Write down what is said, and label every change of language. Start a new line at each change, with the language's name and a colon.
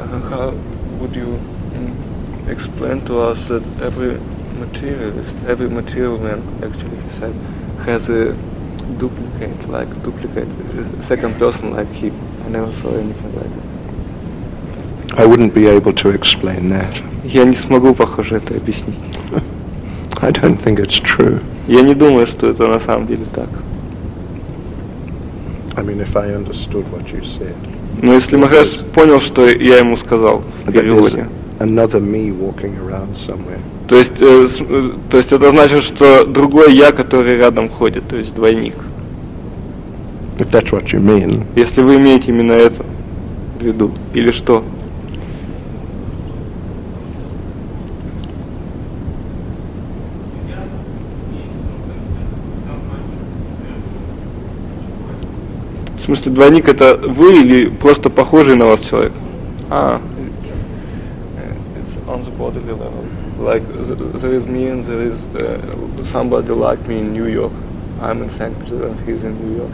English: How would you explain to us that every materialist, every material man, actually, he said, has a duplicate, like duplicate, second person, like he, I never saw anything like that. I wouldn't be able to explain that.
Russian: Я не смогу, похоже, это объяснить.
English: I don't think it's true.
Russian: Я не думаю, что это на самом деле так.
English: I mean, if I understood what you said.
Russian: Но если Махарадж понял, что я ему сказал в переводе.
English: Another me walking around somewhere.
Russian: То есть это значит, что другой я, который рядом ходит, то есть двойник.
English: If that's what you mean.
Russian: Если вы имеете именно это в виду, или что? В смысле, двойник это вы или просто похожий на вас человек?
English: А. It's on the bodily level. Like, there is me and there is somebody like me in New York. I'm in San Francisco and he's in New York.